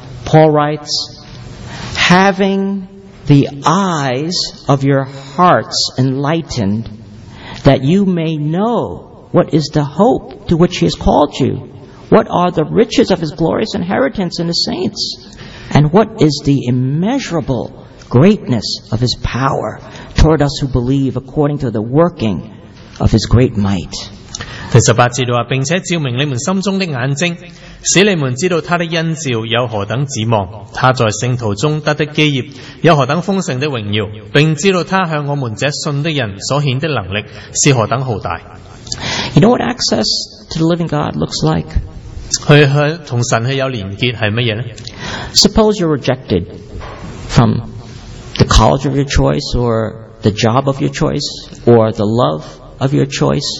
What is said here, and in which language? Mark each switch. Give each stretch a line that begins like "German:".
English: Paul writes, Having the eyes of your hearts enlightened, that you may know what is the hope to which he has called you, what are the riches of his glorious inheritance in the saints, And what is the immeasurable greatness of his power toward us who believe according to the working of his great might?
Chinese: 第十八節說，並且照明你們心中的眼睛，使你們知道他的恩召有何等指望，他在聖徒中得的基業有何等豐盛的榮耀，並知道他向我們這信的人所顯的能力是何等浩大。
English: You know what access to the living God looks like?
Chinese: 他和神有連結是什麼呢?
English: Suppose you're rejected from the college of your choice, or the job of your choice, or the love of your choice.